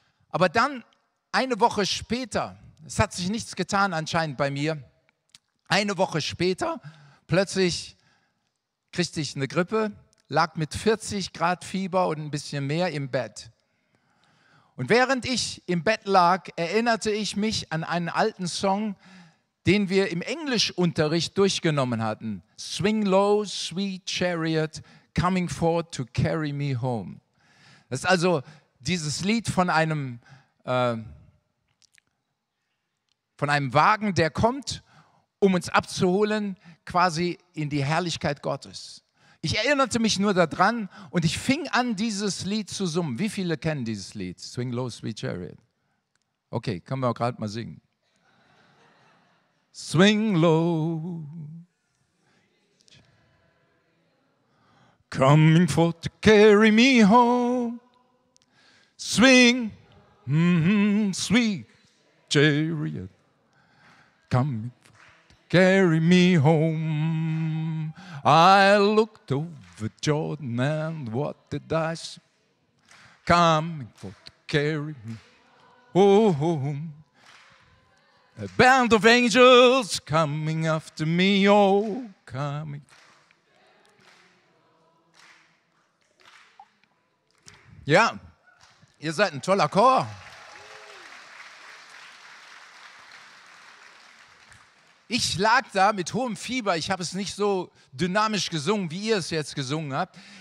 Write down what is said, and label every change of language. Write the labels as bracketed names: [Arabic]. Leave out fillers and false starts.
[German] Aber dann, eine Woche später, es hat sich nichts getan anscheinend bei mir, eine Woche später, plötzlich kriegte ich eine Grippe, lag mit 40 Grad Fieber und ein bisschen mehr im Bett. Und während ich im Bett lag, erinnerte ich mich an einen alten Song, den wir im Englischunterricht durchgenommen hatten. [English] Swing low, sweet chariot, coming forth to carry me home. [German] Das ist also dieses Lied von einem Wagen, der kommt, um uns abzuholen, quasi in die Herrlichkeit Gottes. Ich erinnerte mich nur daran und ich fing an, dieses Lied zu summen. Wie viele kennen dieses Lied? [English] Swing low, sweet chariot. [German] Okay, können wir gerade mal singen. [English] Swing low, coming for to carry me home. Swing, sweet chariot, coming for to carry me home. I looked over Jordan and what did I see? Coming for to carry me home. A band of angels coming after me, oh, coming. [German] Ja, ihr seid ein toller Chor. Ich lag da mit hohem Fieber. Ich habe es nicht so dynamisch gesungen, wie ihr es jetzt gesungen habt.